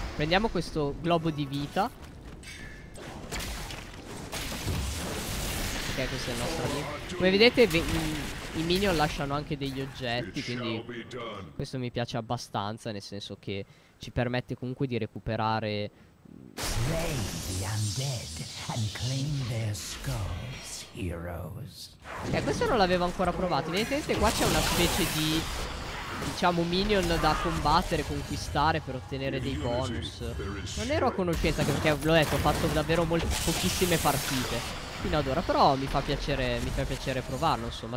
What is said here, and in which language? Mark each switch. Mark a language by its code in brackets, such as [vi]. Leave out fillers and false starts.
[it] Prendiamo questo globo di vita. Ok, questo è il nostro amico. Come vedete, i minion lasciano anche degli oggetti, quindi questo mi piace abbastanza, nel senso che ci permette comunque di recuperare. [en] Slay the undead and claim their skulls, heroes. [it] Ok, questo non l'avevo ancora provato. Evidentemente qua c'è una specie di, diciamo, minion da combattere, conquistare per ottenere dei bonus. Non ero a conoscenza, perché l'ho detto, ho fatto davvero pochissime partite fino ad ora, però mi fa piacere provarlo, insomma.